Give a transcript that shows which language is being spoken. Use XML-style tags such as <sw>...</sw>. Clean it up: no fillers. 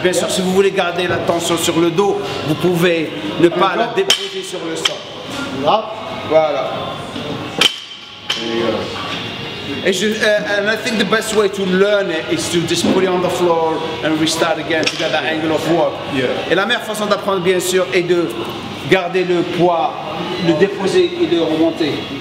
<fr>Bien sûr, si vous voulez garder la tension sur le dos, vous pouvez ne pas la déposer sur le sol. Là. Voilà. Et je,</fr> <en>and I think the best way to learn it is to just put it on the floor and restart again to get that angle of work. Yeah.</en> <fr>Et la meilleure façon d'apprendre, bien sûr, est de garder le poids, le déposer et de remonter.</fr>